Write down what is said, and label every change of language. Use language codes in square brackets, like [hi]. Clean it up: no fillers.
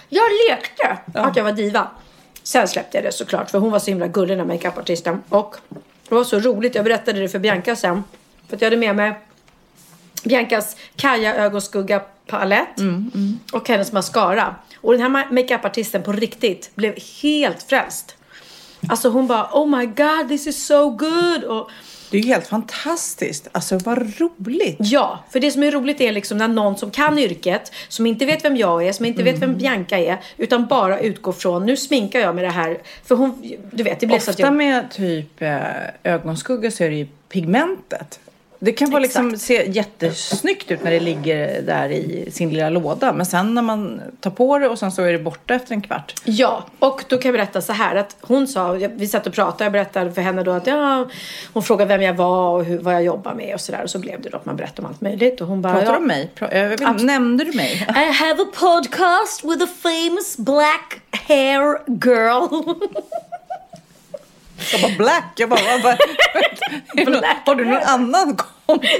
[sv] Jag lekte att jag var diva. Sen släppte jag det såklart, för hon var så himla gullig, den make-up-artisten. Och det var så roligt, jag berättade det för Bianca sen. För att jag hade med mig Biancas Kaja ögonskugga palett och hennes mascara. Och den här make-up-artisten på riktigt blev helt frälst. Alltså hon bara, [en] oh my god, this is so good. [sv] Och det är helt fantastiskt. Alltså vad roligt. Ja, för det som är roligt är liksom när någon som kan yrket, som inte vet vem jag är, som inte vet vem Bianca är, utan bara utgår från, nu sminkar jag med det här. För hon, du vet, det blir ofta så att med typ ögonskugga så är det ju pigmentet. Det kan vara liksom se jättesnyggt ut när det ligger där i sin lilla låda. Men sen när man tar på det och sen så är det borta efter en kvart. Ja, och då kan jag berätta så här. Att hon sa, vi satt och pratade och berättade för henne då att hon frågade vem jag var och vad jag jobbar med och sådär. Och så blev det då att man berättade om allt möjligt. Och hon bara, pratar du om mig? Nämnde du mig? [en] I have a podcast with a famous black hair girl. [sv] Jag bara, black. Jag bara, black. Har du någon annan kompis?